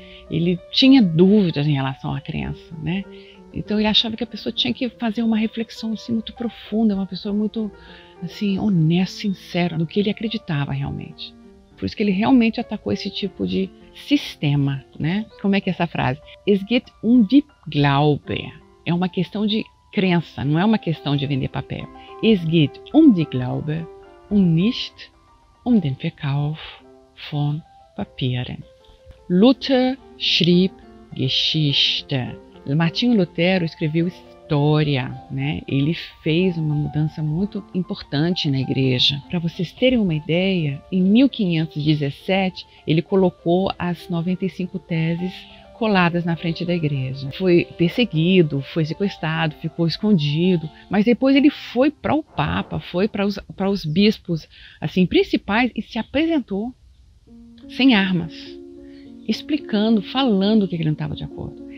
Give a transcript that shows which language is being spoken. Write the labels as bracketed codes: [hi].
[pt] Ele tinha dúvidas em relação à crença, né? Então ele achava que a pessoa tinha que fazer uma reflexão assim, muito profunda, uma pessoa muito assim, honesta, sincera, no que ele acreditava realmente. Por isso que ele realmente atacou esse tipo de sistema, né? Como é que é essa frase? [de] Es geht um die Glaube. [pt] É uma questão de crença, não é uma questão de vender papel. [de] Es geht um die Glaube und nicht um den Verkauf von Papieren. Luther schrieb Geschichte. [pt] Martinho Lutero escreveu história, né? Ele fez uma mudança muito importante na igreja. Para vocês terem uma ideia, em 1517, ele colocou as 95 teses coladas na frente da igreja. Foi perseguido, foi sequestrado, ficou escondido, mas depois ele foi para o Papa, foi para os bispos assim, principais e se apresentou sem armas, explicando, falando que ele não estava de acordo.